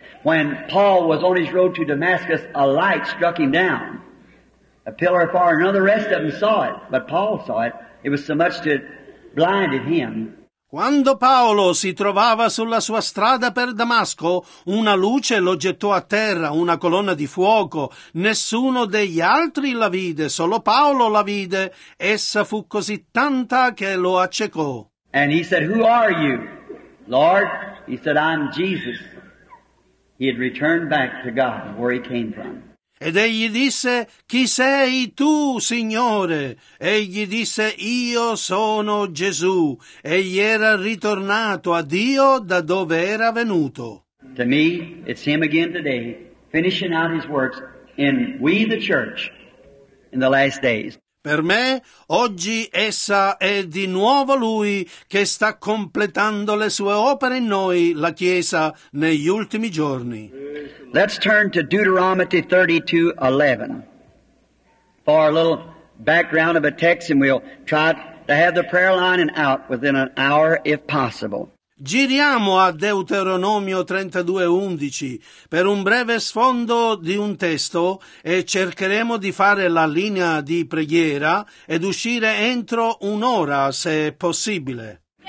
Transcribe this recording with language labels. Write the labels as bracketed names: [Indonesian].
[English] When Paul was on his road to Damascus, a light struck him down. A pillar of fire, none of the rest of them saw it, but Paul saw it. It was so much that blinded him. [Italian] Quando Paolo si trovava sulla sua strada per Damasco, una luce lo gettò a terra, una colonna di fuoco. Nessuno degli altri la vide, solo Paolo la vide. Essa fu così tanta che lo accecò. [English] And he said, "Who are you, Lord?" He said, "I'm Jesus." He had returned back to God, where he came from. [Italian] Ed egli disse, chi sei tu, Signore? Egli disse, io sono Gesù. Egli era ritornato a Dio da dove era venuto. [English] To me, it's him again today, finishing out his works in we the church in the last days. [Italian] per me, oggi essa è di nuovo Lui che sta completando le sue opere in noi, la Chiesa, negli ultimi giorni. [English] Let's turn to Deuteronomy 32:11 for a little background of a text, and we'll try to have the prayer line and out within an hour if possible. [Italian] Giriamo a Deuteronomio 32:11 per un breve sfondo di un testo e cercheremo di fare la linea di preghiera ed uscire entro un'ora, se possibile.